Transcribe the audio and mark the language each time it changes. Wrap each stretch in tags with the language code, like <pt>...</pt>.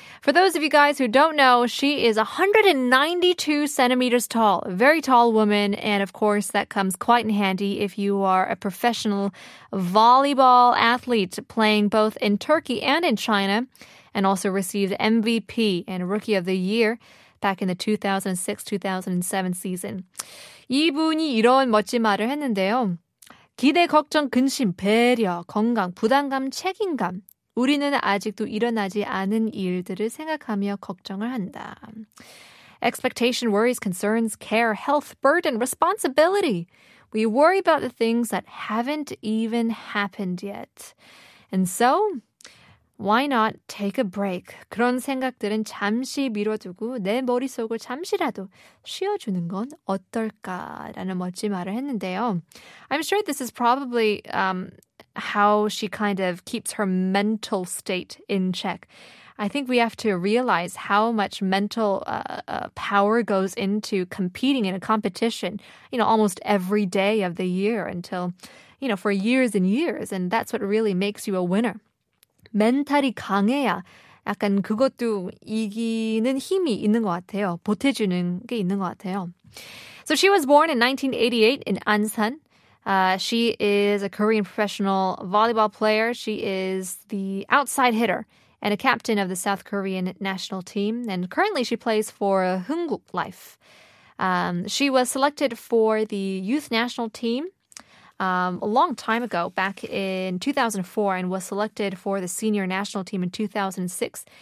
<en>For those of you guys who don't know, she is 192 centimeters tall, a very tall woman. And of course, that comes quite in handy if you are a professional volleyball athlete playing both in Turkey and in China, and also received MVP and Rookie of the Year back in the 2006-2007 season.</en> <ko>이분이 이런 멋진 말을 했는데요. 기대, 걱정, 근심, 배려, 건강, 부담감, 책임감. 우리는 아직도 일어나지 않은 일들을 생각하며 걱정을 한다.</ko> <en>Expectation, worries, concerns, care, health, burden, responsibility. We worry about the things that haven't even happened yet. And so, why not take a break?</en> <ko>그런 생각들은 잠시 미뤄두고 내 머릿속을 잠시라도 쉬어주는 건 어떨까라는 멋진 말을 했는데요.</ko> <en>I'm sure this is probably how she kind of keeps her mental state in check. I think we have to realize how much mental power goes into competing in a competition, you know, almost every day of the year until, you know, for years and years. And that's what really makes you a winner.</en> <ko>멘탈이 강해야 약간 그것도 이기는 힘이 있는 것 같아요. 보태주는 게 있는 것 같아요.</ko> <en>So she was born in 1988 in Ansan. She is a Korean professional volleyball player. She is the outside hitter and a captain of the South Korean national team. And currently she plays for Hunguk Life. She was selected for the youth national team a long time ago, back in 2004, and was selected for the senior national team in 2006.</en>